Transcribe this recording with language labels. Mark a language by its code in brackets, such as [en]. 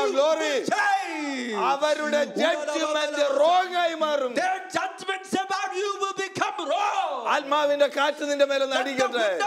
[ml] glory അവരുടെ judgement wrong ആയി മാറും [en] their judgments about you will become wrong [ml] ആത്മാവിന്റെ കാറ്റ് നിന്റെ മേൽ അടിക്കട്ടെ